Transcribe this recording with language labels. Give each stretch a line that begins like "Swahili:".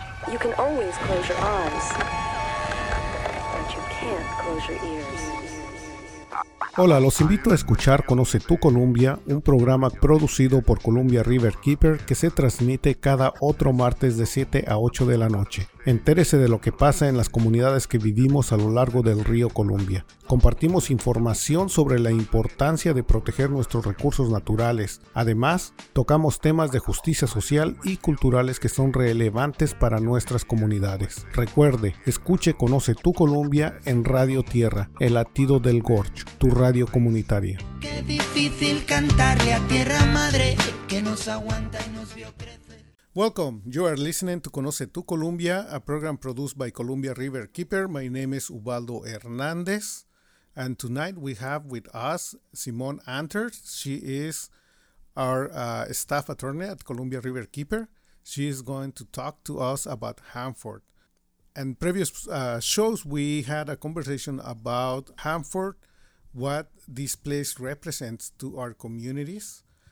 English: You can always close your eyes, but you can't close your ears.
Spanish: Hola, los invito a escuchar Conoce tu Columbia, un programa producido por Columbia River Keeper que se transmite cada otro martes de 7 a 8 de la noche. Entérese de lo que pasa en las comunidades que vivimos a lo largo del río Columbia. Compartimos información sobre la importancia de proteger nuestros recursos naturales. Además, tocamos temas de justicia social y culturales que son relevantes para nuestras comunidades. Recuerde, escuche Conoce tu Columbia en Radio Tierra, El Latido del Gorge, tu radio comunitaria. Qué difícil cantarle a tierra madre que nos aguanta y nos vio crecer.
English: Welcome. You are listening to Conoce tu Columbia, a program produced by Columbia River Keeper. My name is Ubaldo Hernandez, and tonight we have with us Simone Anter. She is our staff attorney at Columbia River Keeper. She is going to talk to us about Hanford. In previous shows, we had a conversation about Hanford, what this place represents to our communities.